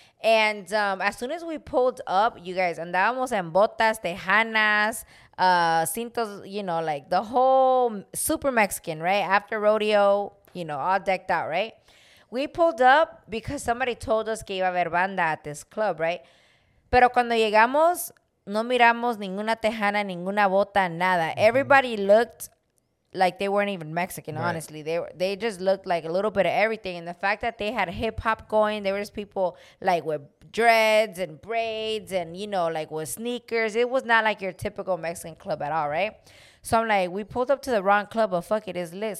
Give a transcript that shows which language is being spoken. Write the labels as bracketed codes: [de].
[en] And as soon as we pulled up, you guys [es] andábamos en botas, tejanas, cintos, [en] you know, like the whole super Mexican, right? After rodeo, you know, all decked out, right? We pulled up because somebody told us [es] que iba a haber banda [en] at this club, right? [es] Pero cuando llegamos, no miramos ninguna tejana, ninguna bota, nada. Mm-hmm. [en] Everybody looked like they weren't even Mexican, right. Honestly. They just looked like a little bit of everything. And the fact that they had hip-hop going, there was people like with dreads and braids and, you know, like with sneakers. It was not like your typical Mexican club at all, right? So I'm like, we pulled up to the wrong club, but fuck it, it's lit.